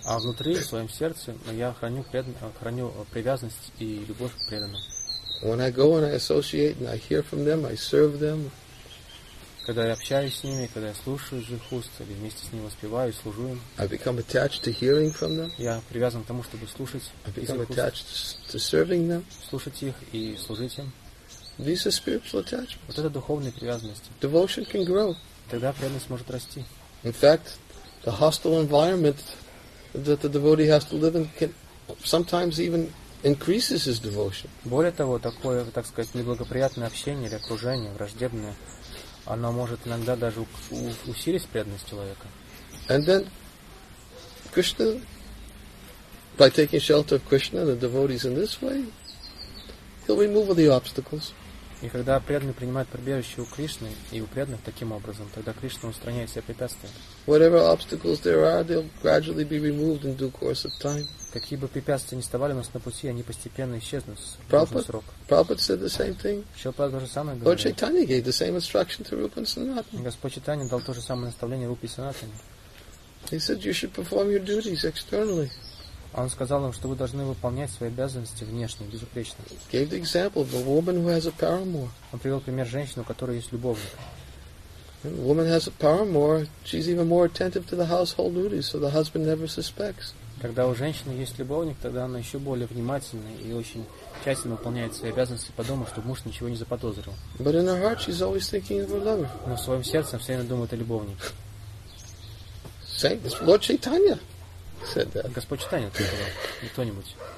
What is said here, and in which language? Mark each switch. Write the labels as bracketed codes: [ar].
[ru] А внутри, в своем сердце, я храню привязанность и любовь к преданным. [en] When I go and I associate and I hear from them, I serve them. [ru] Когда я общаюсь с ними, когда я слушаю из их уст, или вместе с ними воспеваю и служу им. [en] I become attached to hearing from them. [ru] Я привязан к тому, чтобы слушать их. [en] I become attached to serving them. [ru] Слушать их и служить им. [en] These are spiritual attachments. [ru] Вот это духовные привязанности. [en] Devotion can grow. [ru] Тогда преданность может расти. [en] In fact, the hostile environment that the devotee has to live in can sometimes even increases his devotion. [ru] Более того, такое, так сказать, неблагоприятное общение или окружение, враждебное, оно может иногда даже усилить преданность человека. [en] And then Krishna, by taking shelter of Krishna and the devotees in this way, he'll remove all the obstacles. [ru] И когда преданный принимает прибежище у Кришны и у преданных таким образом, тогда Кришна устраняет все препятствия. [en] Whatever obstacles there are, they'll gradually be removed in due course of time. [ru] Какие бы препятствия ни вставали у нас на пути, они постепенно исчезнут в [en] Prabhupada, [ru] срок. [en] Prabhupada said the same thing. [ru] Шилпад тоже самое говорит. [en] Lord Chaitanya gave the same instruction to Rupa and Sanatana. [ru] Господь Чайтанья дал то же самое наставление Рупе и Санатане. [en] He said you should perform your duties externally. [ru] Он сказал им, что вы должны выполнять свои обязанности внешне, безупречно. [en] Gave the example of a woman who has a paramour. [ru] Он привел пример женщины, у которой есть любовник. [en] When a woman has a paramour, she's even more attentive to the household duties, so the husband never suspects. [ru] Когда у женщины есть любовник, тогда она еще более внимательна и очень тщательно выполняет свои обязанности по дому, чтобы муж ничего не заподозрил. [en] But in her heart, she's always thinking of her lover. [ru] Но в своем сердце она все время думает о любовнике. [en] Same, Lord Chaitanya. Said that. [ru] Господь Чайтанья сказал, не кто-нибудь.